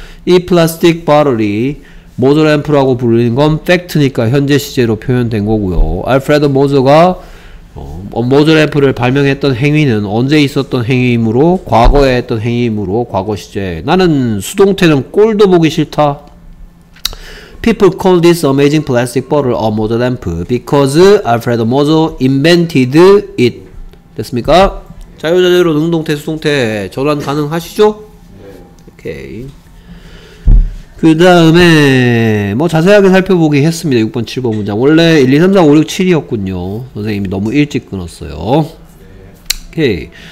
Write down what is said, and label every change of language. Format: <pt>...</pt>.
<ko>이 플라스틱 바럴이 모조램프라고 불리는 건 팩트니까 현재 CJ로 표현된 거고요. 알프레드 모조가 모조램프를 발명했던 행위는 언제 있었던 행위이므로 과거에 했던 행위이므로 과거 CJ. 나는 수동태는 꼴도 보기 싫다.</ko> <en>People call this amazing plastic bottle a Mozo lamp because Alfred Mozo invented it.</en> <ko>됐습니까? 자유자재로 능동태, 수동태 전환 가능하시죠? 네. 오케이. 그 다음에 뭐 자세하게 살펴보기 했습니다. 6번, 7번 문장. 원래 1, 2, 3, 4, 5, 6, 7이었군요. 선생님이 너무 일찍 끊었어요. 오케이.</ko>